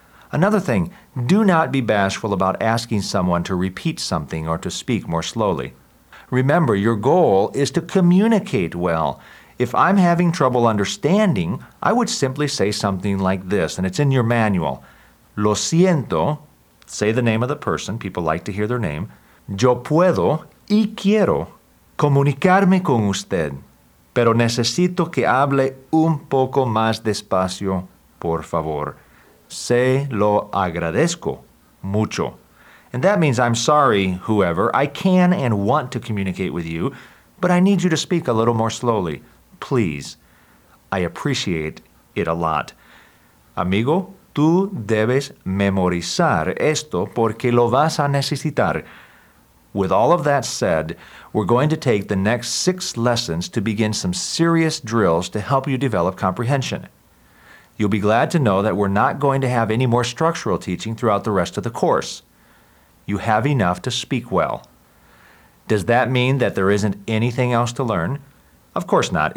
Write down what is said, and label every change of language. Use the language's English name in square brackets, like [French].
[English] Another thing, do not be bashful about asking someone to repeat something or to speak more slowly. Remember, your goal is to communicate well. If I'm having trouble understanding, I would simply say something like this, and it's in your manual. [Spanish] Lo siento, [English] say the name of the person, people like to hear their name. [Spanish] Yo puedo y quiero comunicarme con usted, pero necesito que hable un poco más despacio, por favor. Se lo agradezco mucho. [English] And that means I'm sorry, whoever, I can and want to communicate with you, but I need you to speak a little more slowly. Please. I appreciate it a lot. Amigo, [Spanish] Tú debes memorizar esto porque lo vas a necesitar. [English] With all of that said, we're going to take the next 6 lessons to begin some serious drills to help you develop comprehension. You'll be glad to know that we're not going to have any more structural teaching throughout the rest of the course. You have enough to speak well. Does that mean that there isn't anything else to learn? Of course not.